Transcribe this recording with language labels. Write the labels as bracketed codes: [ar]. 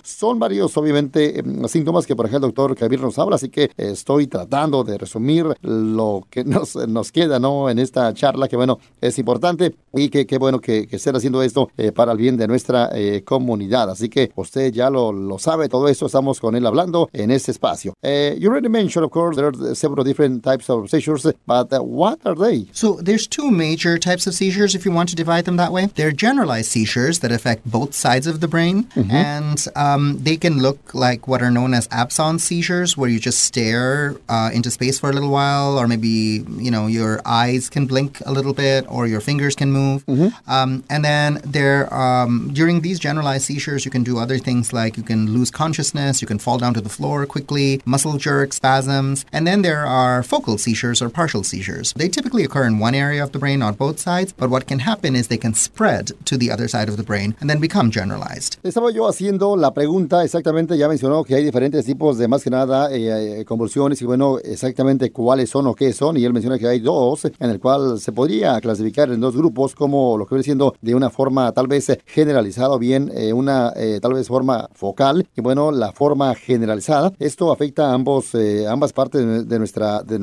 [es] Son varios, obviamente, síntomas que por acá el doctor Javier nos habla, así que estoy tratando de resumir lo que nos queda queda, ¿no? En esta charla, que bueno, es importante y que bueno que estén haciendo esto para el bien de nuestra comunidad. Así que usted ya lo sabe, todo esto estamos con él hablando en este espacio. [en] You already mentioned, of course, there are several different types of seizures, but what are they? So there's two major types of seizures, if you want to divide them that way. They're generalized seizures that affect both sides of the brain, mm-hmm. and they can look like what are known as absence seizures, where you just stare into space for a little while, or maybe, you know, your eyes can blink a little bit, or your fingers can move. Mm-hmm. And then there, during these generalized seizures, you can do other things like you can lose consciousness, you can fall down to the floor quickly, muscle jerks, spasms. And then there are focal seizures or partial seizures. They typically occur in one area of the brain, not both sides, but what can happen is they can spread to the other side of the brain and then become generalized. [es] Estaba yo haciendo la pregunta exactamente, ya mencionó que hay diferentes tipos de, más que nada, convulsiones, y bueno, exactamente cuáles son o qué son, y él menciona que hay dos, en el cual se podría clasificar en dos grupos, como lo que viene siendo de una forma tal vez generalizada, o bien una tal vez forma focal, y bueno, la forma generalizada, esto afecta a ambas partes de nuestra